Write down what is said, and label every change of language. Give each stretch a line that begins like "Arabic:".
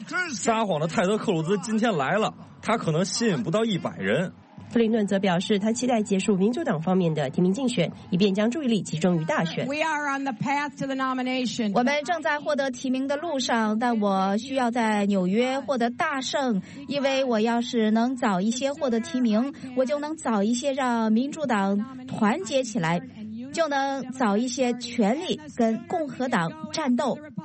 Chinese: 撒谎的泰德·克鲁兹今天来了，他可能吸引不到100人。克林顿则表示，他期待结束民主党方面的提名竞选，以便将注意力集中于大选。
English: We are on the path to the nomination.
Chinese: 我们正在获得提名的路上，但我需要在纽约获得大胜，因为我要是能早一些获得提名，我就能早一些让民主党团结起来，就能早一些全力跟共和党战斗。